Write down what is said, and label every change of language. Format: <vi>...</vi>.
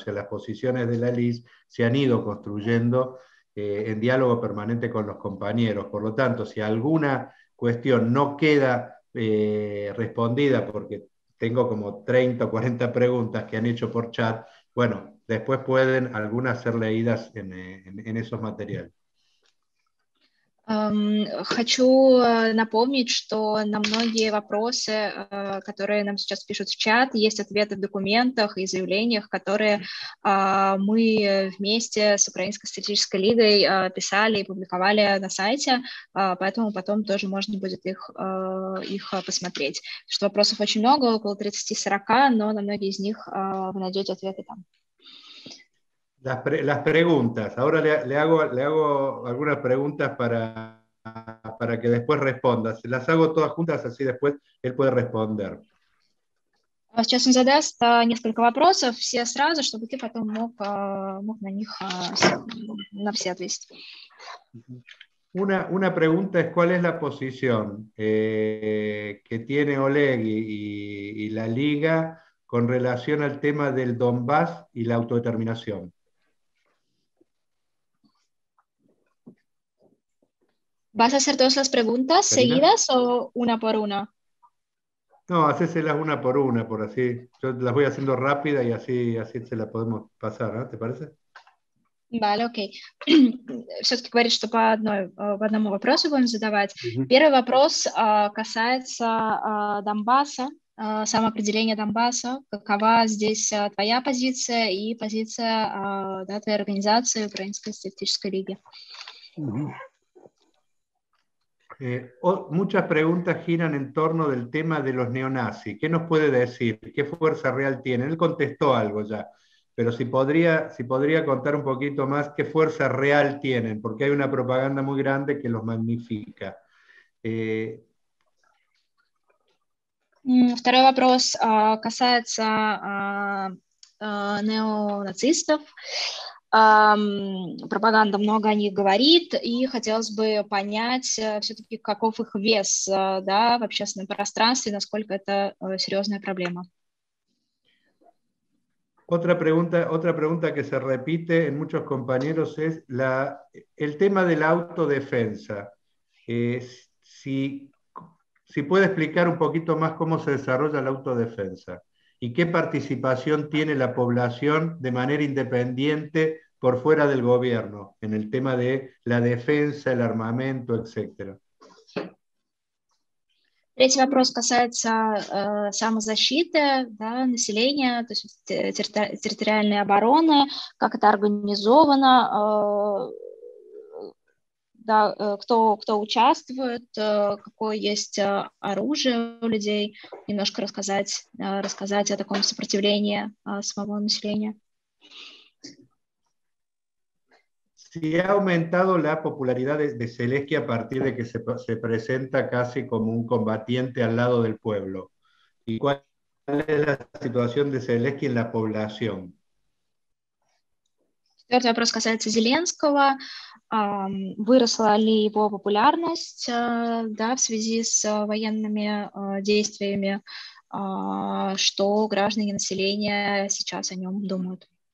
<es>O sea, las posiciones de la LIS se han ido construyendo en diálogo permanente con los compañeros. Por lo tanto, si alguna cuestión no queda respondida, porque tengo como 30 o 40 preguntas que han hecho por chat, bueno, después pueden algunas ser leídas en esos materiales.</es> <ru>Хочу напомнить, что на многие вопросы, которые нам сейчас пишут в чат, есть ответы в документах и заявлениях, которые мы вместе с Украинской социалистической лигой писали и публиковали на сайте, поэтому потом тоже можно будет их посмотреть. Потому что вопросов очень много, около 30-40, но на многие из них вы найдете ответы там.</ru> <es>Las preguntas. Ahora le hago algunas preguntas para que después responda. Se las hago todas juntas, así después él puede responder.</es> <ru>Сейчас он задаст несколько вопросов, все сразу, чтобы ты потом мог на них на все ответить.</ru> <es>Una pregunta es cuál es la posición que tiene Oleg y la Liga con relación al tema del Donbass y la autodeterminación. ¿Vas a hacer todas las preguntas, Karina, seguidas o una por una? No, hacéselas una por una, por así. Yo las voy haciendo rápida y así se las podemos pasar, ¿no? ¿Te parece? Vale, ok.</es> <ru>Все-таки говорит, что по одному вопросу будем задавать. Первый вопрос касается Донбасса, самоопределения Донбасса. Какова здесь твоя позиция и позиция да, твоей организации Украинской социалистической лиги?</ru> <es>Muchas preguntas giran en torno del tema de los neonazis. ¿Qué nos puede decir? ¿Qué fuerza real tiene? Él contestó algo ya, pero si podría contar un poquito más qué fuerza real tienen, porque hay una propaganda muy grande que los magnifica.</es> <ru>Второй вопрос касается неонацистов. Пропаганда много о них говорит, и хотелось бы понять все-таки, каков их вес, да, в общественном пространстве, насколько это серьезная проблема.</ru> <es>Otra pregunta que se repite en muchos compañeros es el tema de la autodefensa. Si, Si puede explicar un poquito más cómo se desarrolla la autodefensa y qué participación tiene la población de manera independiente por fuera del gobierno en el tema de la defensa, el armamento, etc.</es> <ru>Третий вопрос касается самозащиты, да, населения, то есть территориальной обороны, как это организовано, да, кто участвует, какое есть оружие у людей, немножко рассказать о таком сопротивлении самого населения.</ru> <es>Si ha aumentado la popularidad de Zelensky a partir de que se presenta casi como un combatiente al lado del pueblo. ¿Y cuál es la situación de Zelensky en la población?</es> <ru>Четвертый вопрос касается Зеленского. Выросла ли его популярность да, в связи с военными действиями? Что граждане населения сейчас о нем думают?</ru>